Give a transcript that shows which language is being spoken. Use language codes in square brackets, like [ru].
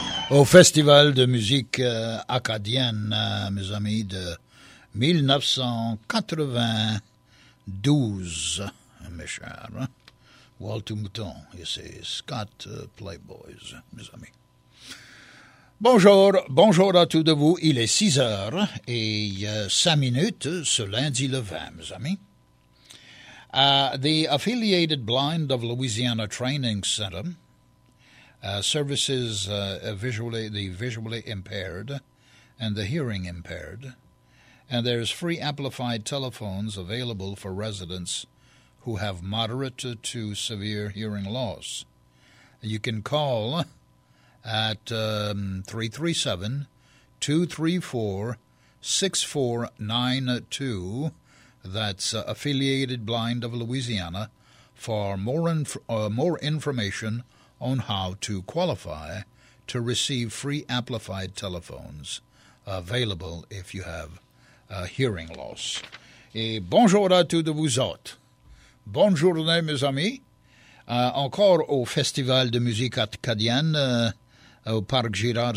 [fr] Au Festival de musique acadienne, mes amis, de 1992, mes chers. Walter Mouton, c'est Scott Playboys, mes amis. Bonjour, bonjour à tous de vous. Il est 6h et 5 minutes ce lundi le 20, mes amis. [en] The Affiliated Blind of Louisiana Training Center services the visually impaired and the hearing impaired, and there's free amplified telephones available for residents who have moderate to severe hearing loss. You can call at 337-234-6492. That's Affiliated Blind of Louisiana for more information on how to qualify to receive free amplified telephones available if you have hearing loss. [fr] Et bonjour à tous de vous autres. Bonne journée, mes amis. Encore au Festival de musique acadienne au Parc Girard.